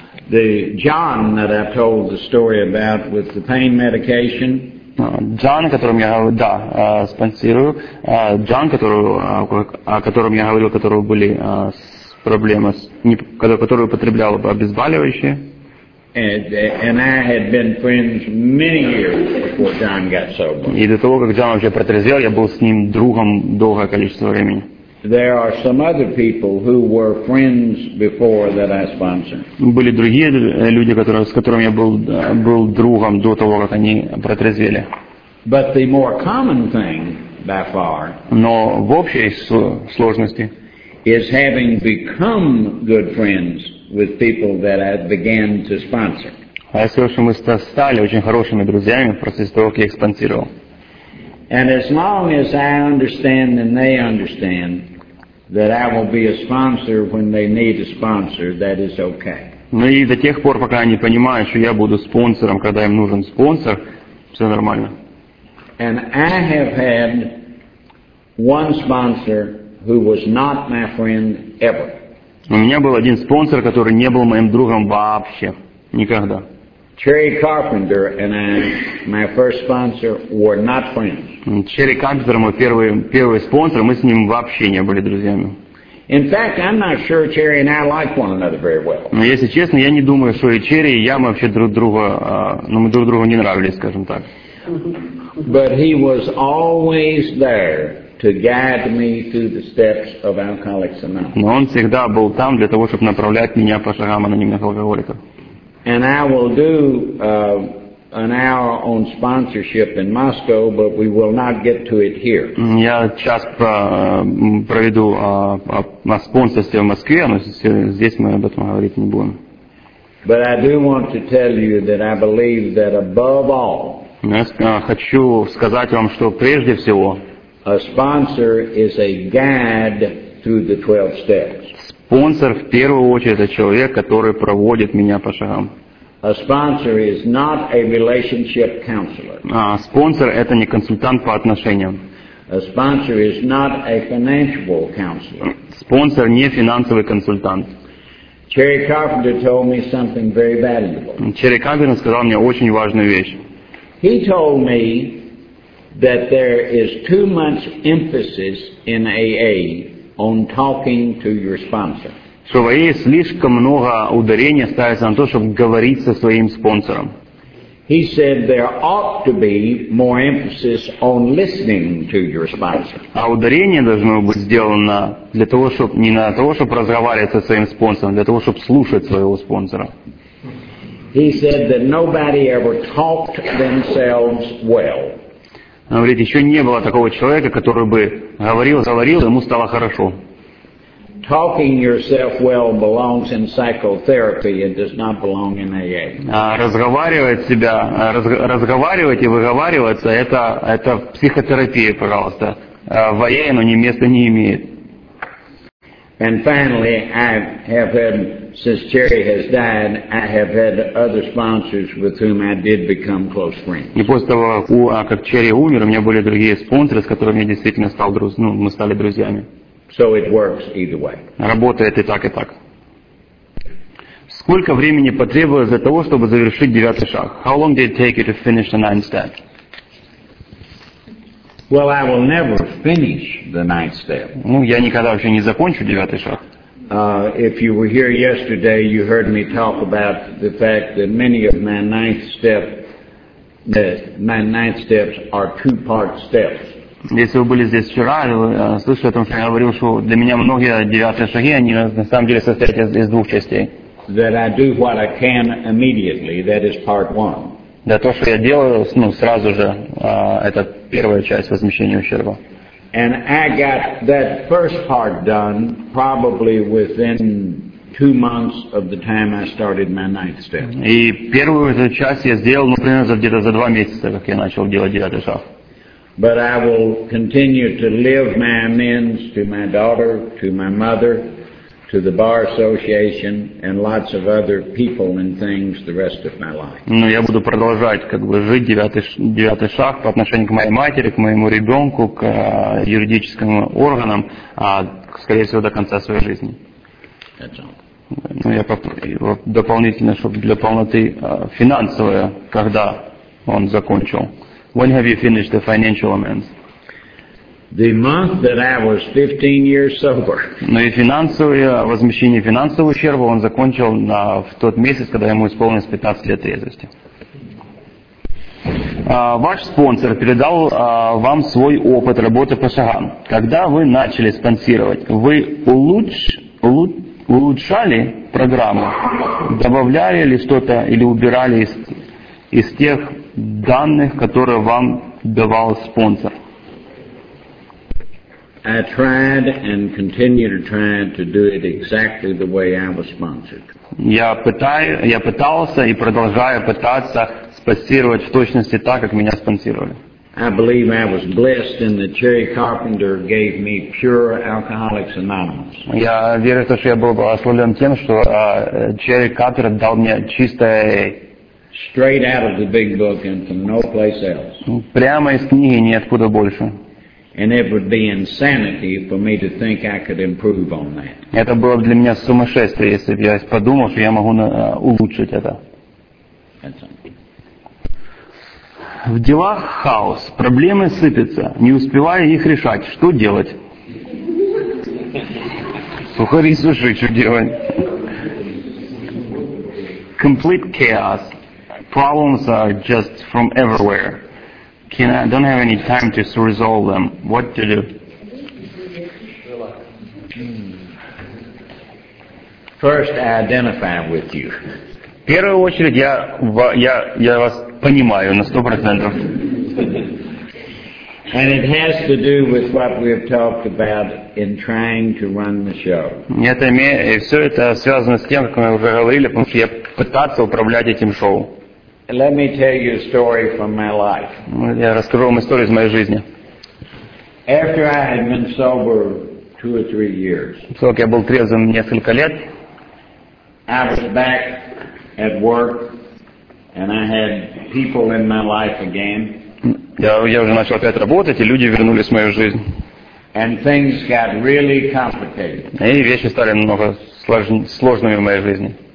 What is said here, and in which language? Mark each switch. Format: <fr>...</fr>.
<en>The John that I told the story about with the pain medication.</en> <ru>Джон, которым я говорил, да, спонсирую. Джон, о котором я говорил, у которого были проблемы, который употреблял обезболивающие.</ru> <en>And I had been friends many years before John got sober.</en> <ru>И до того, как Джон вообще протрезвел, я был с ним другом долгое количество времени.</ru> <en>There are some other people who were friends before that I sponsored.</en> <ru>Были другие люди, с которыми я был другом до того, как они протрезвели.</ru> <en>But the more common thing by far.</en> <ru>Но в общей сложности</ru> <en>is having become good friends with people that I began to sponsor.</en> <ru>А если уж мы стали очень хорошими друзьями в процессе того, как я их спонсировал.</ru> <en>And as long as I understand and they understand that I will be a sponsor when they need a sponsor, that is okay.</en> <ru>Ну и до тех пор, пока они понимают, что я буду спонсором, когда им нужен спонсор, все нормально.</ru> <en>And I have had one sponsor who was not my friend ever.</en> <ru>У меня был один спонсор, который не был моим другом вообще. Никогда.</ru> <en>Cherry Carpenter and I, my first sponsor, were not friends.</en> <ru>Cherry Carpenter, мой первый спонсор, мы с ним вообще не были друзьями.</ru> <en>In fact, I'm not sure Cherry and I like one another very well.</en> <ru>Но если честно, я не думаю, что и Cherry, и я, мы вообще друг другу не нравились, скажем так.</ru> <en>But he was always there to guide me through the steps of Alcoholics Anonymous.</en> <ru>Но он всегда был там для того, чтобы направлять меня по шагам анонимных алкоголиков.</ru> <en>And I will do an hour on sponsorship in Moscow, but we will not get to it here.</en> <ru>Я час проведу на спонсорстве в Москве, но здесь мы об этом говорить не будем.</ru> <en>But I do want to tell you that I believe that above all.</en> <ru>Я хочу сказать вам, что прежде всего.</ru> <en>A sponsor is a guide through the 12 steps.</en> <ru>Спонсор в первую очередь это человек, который проводит меня по шагам.</ru> <en>A sponsor is not a relationship counselor.</en> <ru>Спонсор это не консультант по отношениям.</ru> <en>A sponsor is not a financial counselor.</en> <ru>Спонсор не финансовый консультант.</ru> <en>Cherry Carpenter told me something very valuable.</en> <ru>Cherry Carpenter сказал мне очень важную вещь.</ru> <en>He told me that there is too much emphasis in AA on talking to your sponsor.</en> <ru>Что в АА слишком много ударения ставится на то, чтобы говорить со своим спонсором.</ru> <en>He said there ought to be more emphasis on listening to your sponsor.</en> <ru>А ударение должно быть сделано для того, чтобы не на того, чтобы разговаривать со своим спонсором, для того, чтобы слушать своего спонсора.</ru> <en>He said that nobody ever talked themselves well.</en> <ru>Она говорит, еще не было такого человека, который бы говорил, говорил, ему стало хорошо.</ru> <en>Talking yourself well belongs in psychotherapy and does not belong in AA.</en> <ru>Разговаривать себя, разговаривать и выговариваться, это психотерапия, пожалуйста. В AA оно ни места не имеет.</ru> <en>And finally, I have had, since Jerry has died, I have had other sponsors with whom I did become close friends.</en> <ru>И после того, как Черри умер, у меня были другие спонсоры, с которыми я действительно стал мы стали друзьями.</ru> <en>So it works either way.</en> <ru>Работает и так, и так. Сколько времени потребовалось для того, чтобы завершить девятый шаг?</ru> <en>How long did it take you to finish the ninth step? Well, I will never finish the ninth step.</en> <ru>Ну, я никогда вообще не закончу девятый шаг.</ru> <en>If you were here yesterday, you heard me talk about the fact that many of my ninth step, that my ninth steps are two-part steps.</en> <ru>Если вы были здесь вчера, слышали о том, что я говорил, что для меня многие девятые шаги, они на самом деле состоят из двух частей.</ru> <en>That I do what I can immediately, that is part one.</en> <ru>Да, то, что я делаю, ну, сразу же, это первая часть возмещения ущерба.</ru> <en>And I got that first part done probably within 2 months of the time I started my ninth step.</en> <ru>И первую эту часть я сделал, ну, примерно где-то за 2 месяца, как я начал делать девятый шаг.</ru> <en>But I will continue to live my amends to my daughter, to my mother, to the Bar Association, and lots of other people and things the rest of my life.</en> <ru>Ну, я буду продолжать, как бы, жить девятый шаг по отношению к моей матери, к моему ребенку, к юридическим органам, скорее всего, до конца своей жизни.</ru> <en>That's all.</en> <ru>Ну, я попробую дополнительно, чтобы для полноты финансовое, когда он закончил.</ru> <en>When have you finished the financial amends? The month that I was 15 years sober.</en> <ru>Ну и финансовое возмещение финансового ущерба он закончил в тот месяц, когда ему исполнилось 15 лет трезвости. Ваш спонсор передал вам свой опыт работы по шагам. Когда вы начали спонсировать, вы улучшали программу, добавляли ли что-то или убирали из тех данных, которые вам давал спонсор?</ru> <en>I tried and continue to try to do it exactly the way I was sponsored.</en> <ru>Я пытался и продолжаю пытаться спонсировать в точности так, как меня спонсировали.</ru> <en>I believe I was blessed in that Cherry Carpenter gave me pure Alcoholics Anonymous.</en> <ru>Я верю в то, что я был благословлен тем, что Cherry Carpenter дал мне чистое.</ru> <en>Straight out of the big book and from no place else.</en> <ru>Прямо из книги, ниоткуда больше.</ru> <en>And it would be insanity for me to think I could improve on that.</en> <ru>Это было бы для меня сумасшествие, если бы я подумал, что я могу улучшить это. В делах хаос, проблемы сыпятся, не успевая их решать, что делать? Сухари сушить, что делать?</ru> <en>Complete chaos. Problems are just from everywhere. I don't have any time to resolve them. What to do? First, I identify with you.</en> <ru>В первую очередь я вас понимаю на 100%.</ru> <en>And it has to do with what we have talked about in trying to run the show.</en> <ru>И все это связано с тем, как мы уже говорили, потому что я пытался управлять этим шоу.</ru> <en>Let me tell you a story from my life.</en> <ru>Я расскажу вам историю из моей жизни.</ru> <en>After I had been sober 2 or 3 years.</en> <ru>Сколько я был трезвым несколько лет.</ru> <en>I was back at work, and I had people in my life again.</en> <ru>Я уже начал опять работать, и люди вернулись в мою жизнь.</ru> <en>And things got really complicated.</en> <ru>И вещи стали намного сложными в моей жизни.</ru>